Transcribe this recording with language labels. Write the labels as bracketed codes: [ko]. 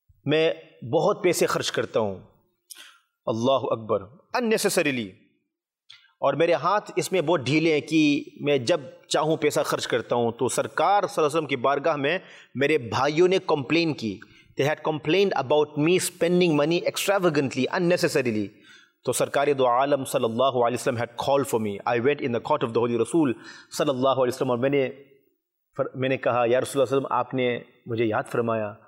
[ur] میں بہت پیسے خرچ کرتا ہوں. [ar] اللہ اکبر. [en] Unnecessarily. [ur] اور میرے ہاتھ اس میں بہت ڈھیلے ہیں کہ میں جب چاہوں پیسہ خرچ کرتا ہوں. تو سرکار صلی اللہ علیہ وسلم کی بارگاہ میں میرے بھائیوں نے کمپلین کی. [en] They had complained about me spending money extravagantly, unnecessarily. [ur] تو سرکار دو عالم صلی اللہ علیہ وسلم [en] had called for me. I went in the court of the Holy Rasul [ur] صلی اللہ علیہ وسلم, اور میں نے کہا, یا رسول اللہ صلی اللہ علیہ وسلم, آپ نے مجھے یاد فرمایا.